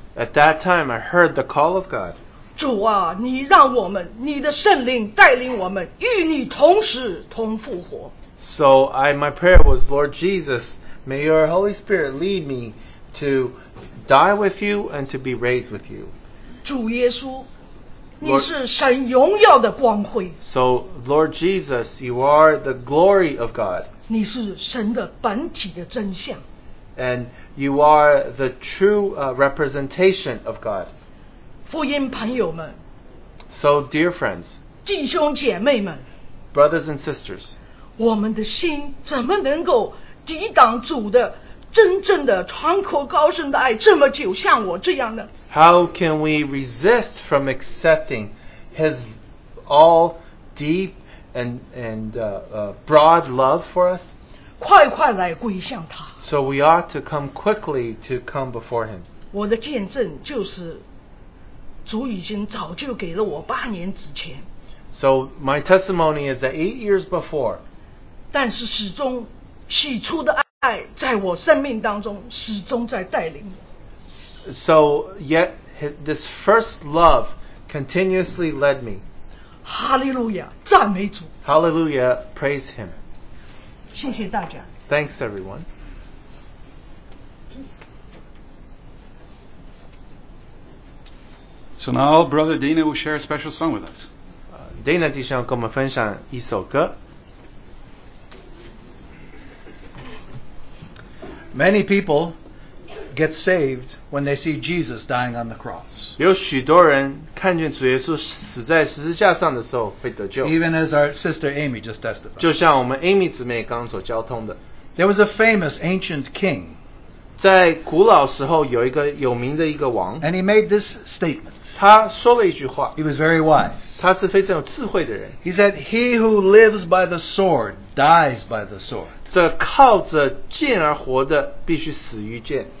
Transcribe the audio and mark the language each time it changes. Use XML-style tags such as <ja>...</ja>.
<en>At that time, I heard the call of God.</en> <zh>主啊，你让我们，你的圣灵带领我们，与你同死同复活。</zh> <en>So my prayer was, Lord Jesus, may your Holy Spirit lead me to die with you and to be raised with you.</en> <zh>主耶稣。你是神荣耀的光辉。</zh> <en>So, Lord Jesus, you are the glory of God.</en> <zh>你是神的本体的真相。</zh> <en>And you are the true representation of God.</en> <zh>福音朋友们。</zh> <en>So, dear friends.</en> <zh>弟兄姐妹们。</zh> <en>Brothers and sisters.</en> <zh>我们的心怎么能够抵挡主的真正的长阔高深的爱这么久像我这样呢？</zh> <en>How can we resist from accepting his all deep and broad love for us?</en> <zh>快快来归向他。</zh> <en>So we ought to come quickly to come before him.</en> <zh>我的见证就是主已经早就给了我八年之前。</zh> <en>So my testimony is that 8 years before,</en> <zh>但是始终起初的爱在我生命当中始终在带领我。</zh> <en>So yet this first love continuously led me.</en> <zh>Hallelujah, 赞美主。</zh> <en>Hallelujah, praise him.</en> <zh>谢谢大家。</zh> <en>Thanks everyone. So now, Brother Dana will share a special song with us.</en> <zh>Dana 弟兄跟我们分享一首歌。</zh> <en>Many people get saved when they see Jesus dying on the cross.</en> <zh>有许多人看见主耶稣死在十字架上的时候会得救。</zh> <en>Even as our sister Amy just testified.</en> <zh>就像我们 Amy 姊妹刚所交通的。</zh> <en>There was a famous ancient king.</en> <zh>在古老时候有一个有名的一个王。</zh> <en>And he made this statement.</en> <zh>他说了一句话,</zh> <en>he was very wise.</en> <zh>他是非常有智慧的人。</zh> <en>He said, he who lives by the sword dies by the sword.</en> <zh>这靠着剑而活的必须死于剑。</zh>